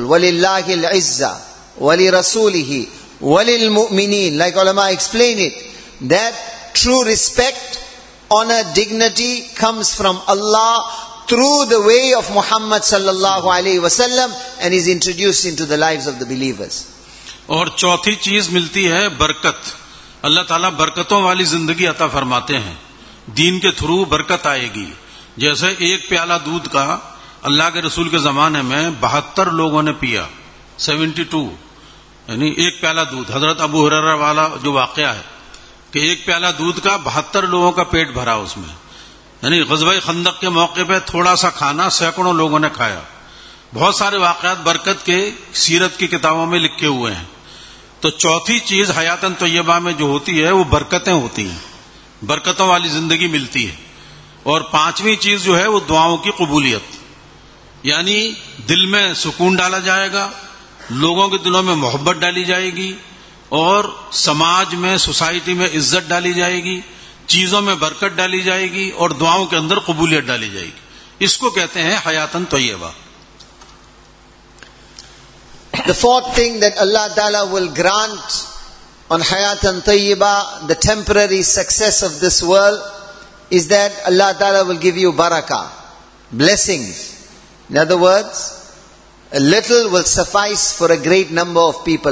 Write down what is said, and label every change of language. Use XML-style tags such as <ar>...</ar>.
<ar>وَلِلَّهِ الْعِزَّةِ وَلِرَسُولِهِ وَلِلْمُؤْمِنِينَ.</ar> <en>Like ulama explain it, that true respect, honor, dignity comes from Allah through the way of Muhammad sallallahu alaihi wasallam and is introduced into the lives of the believers.</en> <ur>اور چوتھی چیز ملتی ہے برکت. اللہ تعالیٰ برکتوں والی زندگی عطا فرماتے ہیں, دین کے تھرو برکت آئے گی. جیسے ایک پیالہ دودھ کا اللہ کے رسول کے زمانے میں 72 لوگوں نے پیا, 72, یعنی ایک پیالہ دودھ. حضرت ابو ہریرہ والا جو واقعہ ہے کہ ایک پیالہ دودھ کا 72 لوگوں کا پیٹ بھرا اس میں, یعنی غزوہ خندق کے موقع پہ تھوڑا سا کھانا سینکڑوں لوگوں نے کھایا. بہت سارے واقعات برکت کے سیرت کی کتابوں میں لکھے ہوئے ہیں. تو چوتھی چیز حیاتن طیبہ میں جو ہوتی ہے وہ برکتیں ہوتی ہیں, برکتوں والی زندگی ملتی ہے. اور پانچویں چیز جو ہے وہ دعاؤں کی قبولیت, یعنی دل میں سکون ڈالا جائے گا, لوگوں کے دلوں میں محبت ڈالی جائے گی, اور سماج میں سوسائٹی میں عزت ڈالی جائے گی, چیزوں میں برکت ڈالی جائے گی, اور دعاؤں کے اندر قبولیت ڈالی جائے گی. اس کو کہتے ہیں حیاتن طیبہ.</ur> <en>The fourth thing that Allah Ta'ala will grant on hayatan tayyiba, the temporary success of this world, is that Allah Ta'ala will give you barakah, blessings. In other words, a little will suffice for a great number of people.</en>